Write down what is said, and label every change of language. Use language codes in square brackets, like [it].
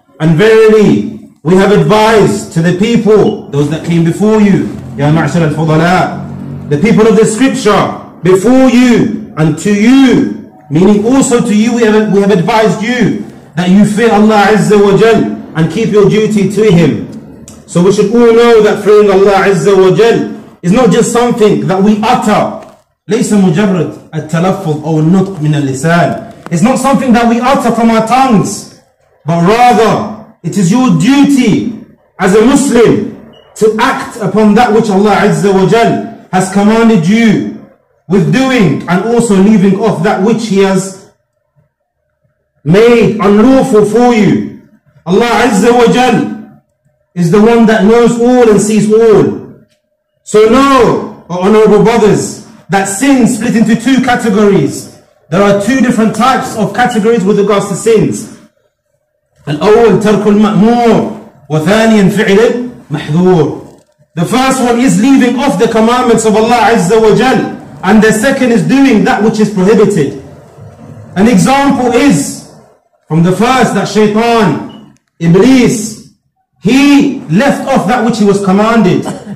[en] And verily, we have advised to the people, those that came before you, [ar] يا معشر الفضلاء, [en] the people of the scripture before you and to you, meaning also to you, we have advised you that you fear Allah Azza wa Jal and keep your duty to Him. So we should all know that fearing Allah Azza wa Jal is not just something that we utter. [ar] ليس مجرد التلفظ أو النطق من اللسان. [en] It's not something that we utter from our tongues, but rather it is your duty as a Muslim to act upon that which Allah Azza wa Jal has commanded you with doing, and also leaving off that which He has made unlawful for you. Allah Azza wa Jal is the one that knows all and sees all. So know, O honorable brothers, that sins split into two categories. There are two different types of categories with regards to sins. [ar] الأول ترك المأمور وثانيا فعل المحظور. [en] The first one is leaving off the commandments of Allah Azza wa Jal, and the second is doing that which is prohibited. An example is from the first, that Shaytan, Iblis, he left off that which he was commanded.